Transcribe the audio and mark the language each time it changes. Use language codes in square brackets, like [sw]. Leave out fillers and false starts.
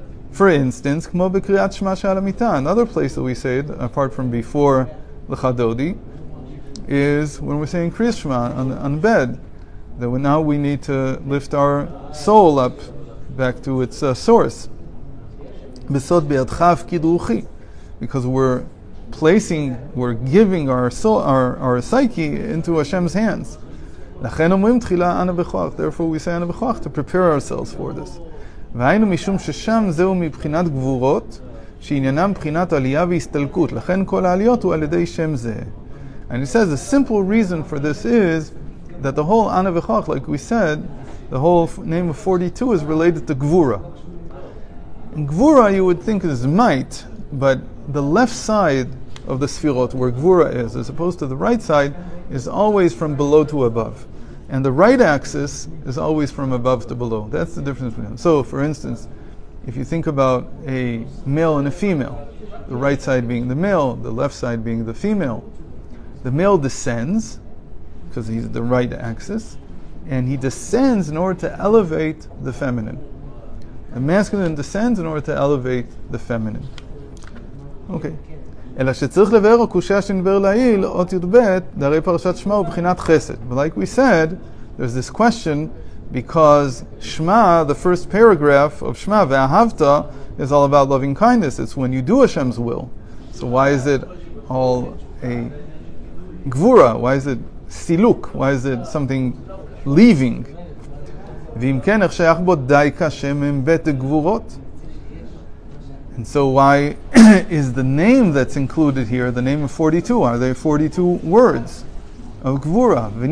[en] For instance, [he] כמו בקריאת שמע שעל המיטה, [en] another place that we said, apart from before Lecha Dodi, is when we're saying Kriyat Shema on bed, that now we need to lift our soul up back to its source. [he] בסוד בידך הפקיד רוחי, [en] because we're placing, we're giving our soul, our psyche into Hashem's hands. [he] לכן אומרים תחילה אנא בכוח, [en] therefore we say אנא בכוח, to prepare ourselves for this. [he] והיינו משום ששם זהו מבחינת גבורות שעניינם בחינת עלייה והסתלקות. לכן כל העליות הוא על ידי שם זה. [en] And he says, the simple reason for this is that the whole Ana V'choach, like we said, the whole name of 42 is related to Gvura. And Gvura, you would think, is might, but the left side of the Sefirot, where Gvura is, as opposed to the right side, is always from below to above. And the right axis is always from above to below. That's the difference between them. So, for instance, if you think about a male and a female, the right side being the male, the left side being the female, the male descends, because he's the right axis, and he descends in order to elevate the feminine. The masculine descends in order to elevate the feminine. Okay. [he] אלא שצריך לבאר הקושיה שנבר לעיל, אות י' ב', דהרי פרשת שמה הוא בחינת חסד. [en] But like we said, there's this question, because שמה, the first paragraph of שמה, ואהבת, is all about loving kindness. It's when you do Hashem's will. So why is it all a גבורה? Why is it סילוק? Why is it something leaving? [he] ואם כן, איך שייך בו דייקה שם הם ב' גבורות? [en] And so why is the name that's included here, the name of 42, are there 42 words of Gvura?